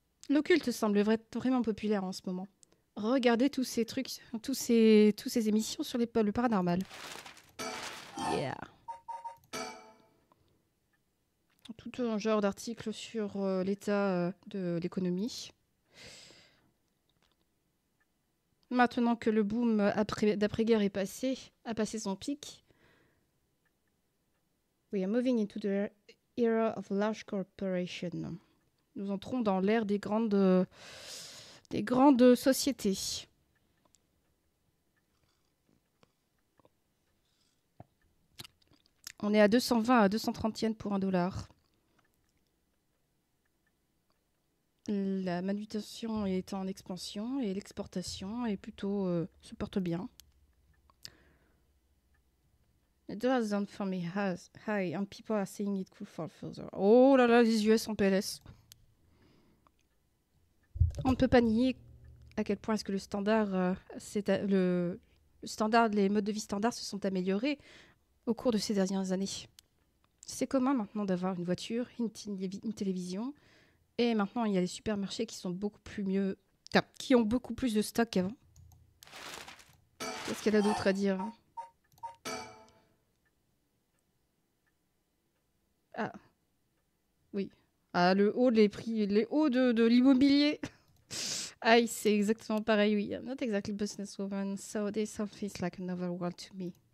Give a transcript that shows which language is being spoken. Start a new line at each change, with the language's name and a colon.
French: L'occulte semble vraiment populaire en ce moment. Regardez tous ces trucs, tous ces émissions sur le paranormal. Yeah. Tout un genre d'article sur l'état de l'économie. Maintenant que le boom d'après-guerre a passé son pic.
English: We are moving into the era of large corporation.
French: Nous entrons dans l'ère des grandes sociétés. On est à 220 à 230 yens pour un dollar. La manutention est en expansion et l'exportation est plutôt se porte bien.
English: The dollar's on for me has high and people are saying it could fall further.
French: Oh là là, les US en PLS. On ne peut pas nier à quel point est-ce que les modes de vie standard se sont améliorés au cours de ces dernières années. C'est commun maintenant d'avoir une voiture, une télévision. Et maintenant, il y a les supermarchés qui sont beaucoup plus mieux... qui ont beaucoup plus de stock qu'avant. Qu'est-ce qu'elle a d'autre à dire? Ah. Oui. Ah, le haut des prix, les hauts de l'immobilier. Aïe, c'est exactement pareil, oui.
English: I'm not exactly a businesswoman, so this something's like another world to me.